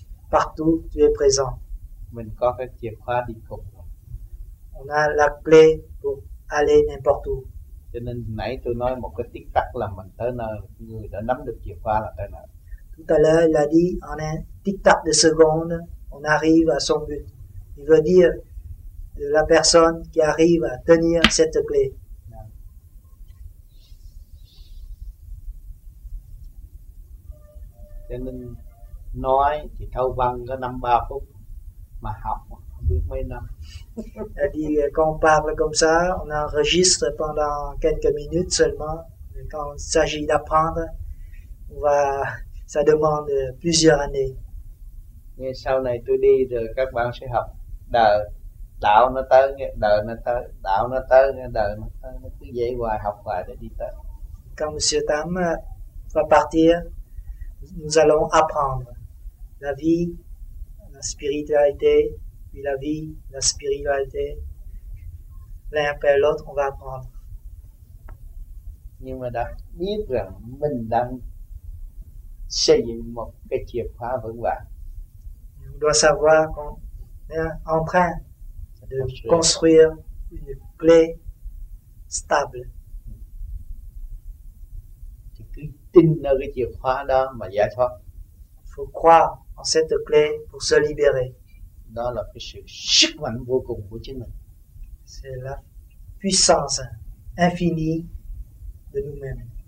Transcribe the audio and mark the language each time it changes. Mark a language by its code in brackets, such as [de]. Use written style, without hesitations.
[fr] Partout, tu es présent. On a la clé pour aller n'importe où. [vi] Cho nên nãy tôi nói một cái tích tắc là mình tới nơi, người đã nắm được chìa khóa là tới nơi. [fr] Tout à l'heure, il a dit en un tic tac de seconde, on arrive à son but. Il veut dire de la personne qui arrive à tenir cette clé. [vi] Cho nên nói thì thâu văn có 5-3 phút mà học [fr] Elle dit, quand on parle comme ça, on enregistre pendant quelques minutes seulement, mais quand il s'agit d'apprendre, on va, ça demande plusieurs années. [vi] Nghe sau này tôi đi rồi các bạn sẽ học đời, đạo nó tới, nghe, đời nó tới, đạo nó tới, nghe, đời nó tới, nó cứ dễ hoài, học hoài để đi tới. [fr] Quand M. Tam va partir, nous allons apprendre la vie, la spiritualité, la vie, la spiritualité, l'un après l'autre, on va apprendre. [vi] Nhưng mà đã biết rằng mình đang xây dựng một cái chìa khóa vững vàng. [fr] On doit savoir qu'on est en train de construire une clé stable. [vi] Thì cứ tin ở cái chìa khóa đó mà giải thoát. [fr] Faut croire en cette clé pour se libérer. [vi] Đó là cái sự sức mạnh vô cùng của chính mình. [fr] C'est la puissance infinie de nous-mêmes.